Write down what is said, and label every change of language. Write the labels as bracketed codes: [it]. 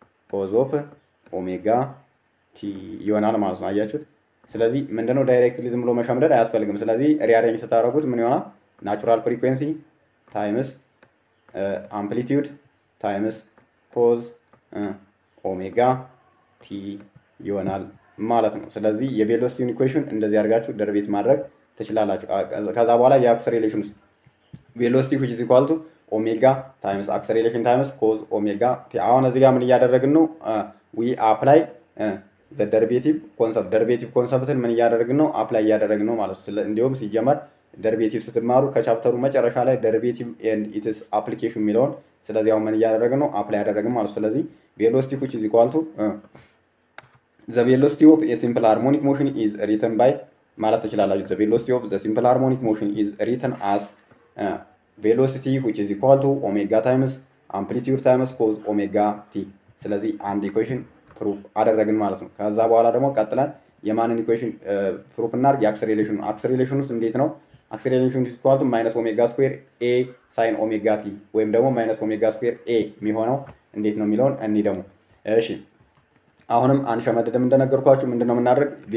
[en] cos of omega t [am] ይሆናል ማለት ነው። አያችሁት? ስለዚህ ምንድነው ዳይሬክትሊ ዝም ብሎ መሸምደድ አያስፈልግም። ስለዚህ ሪአሬንጅ ስታደርጉት ምን ይሆናል? [en] natural frequency times amplitude times cos omega t [am] ይሆናል ማለት ነው። ስለዚህ የvelocity equation እንደዚህ አድርጋችሁ ደርቤት ማድረግ ትችላላችሁ። ከዛ በኋላ የአክሰሌሬሽን [en] velocity which is equal to omega times acceleration times cos omega t. [am] አሁን እዚህ ጋር ምን ያደረግን ነው? [en] We apply the derivative concept. [am] Derivative concept ምን ያደረግን ነው? Apply ያደረግን ነው ማለት ስለ እንዲሁም ሲጀመር derivative ስትማሩ ከቻፕተሩ መጨረሻ ላይ [en] derivative and its application [am] ሚለውን ስለዚህ አሁን ምን ያደረግን ነው? [en] Apply ያደረግን ማለት ስለዚህ velocity which is equal to the velocity of a simple harmonic motion is written by [am] ማለት ትችላላችሁ [en] the velocity of the simple harmonic motion is written as velocity which is equal to omega times amplitude times cos omega t. [am] ስለዚህ አንድ equation proof አደረግን ማለት ነው። ከዛ በኋላ ደግሞ ቀጥለን የማንን equation proof እናርግ? የአክሰለሬሽኑ አክሰለሬሽኑስ እንዴት ነው? አክሰለሬሽኑ [en] is equal to minus omega square a sin omega t [am] ወይም ደግሞ [en] minus omega square a [am] የሚሆነው እንዴት ነው የሚለውን እንዴ ደግሞ እሺ አሁንም አንሸመደደም እንደነገርኳችሁ ምንድነው እናደርግ?